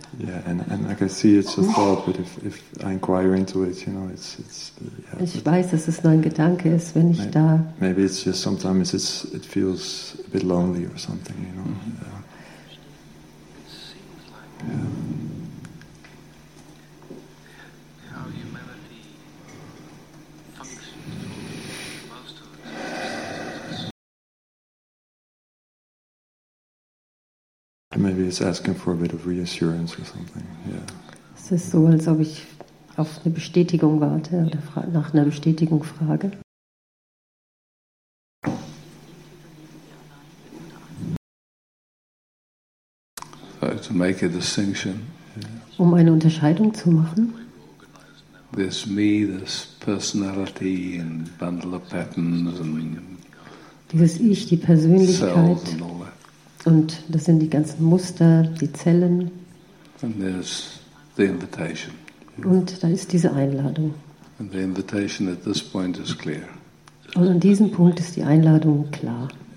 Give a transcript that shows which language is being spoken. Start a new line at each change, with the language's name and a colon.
English: Yeah, and I can see it's a thought, but if I inquire into it, you know, it's yeah.
German: Ich weiß, dass es nur ein Gedanke ist, wenn ich da.
English: Maybe it's just sometimes it feels a bit lonely or something, you know. Mm-hmm. Yeah. Maybe it's asking for a bit of reassurance or something. Yeah.
German: Es ist so, als ob ich auf eine Bestätigung warte oder nach einer Bestätigung frage.
English: So, to make a distinction.
German: Um eine Unterscheidung zu machen.
English: This me, this personality and bundle of patterns and.
German: Dieses Ich, die Persönlichkeit. Und das sind die ganzen Muster, die Zellen.
English: And there's the invitation.
German: Und da ist diese Einladung.
English: And the invitation at this point is clear.
German: Und an diesem Punkt ist die Einladung klar.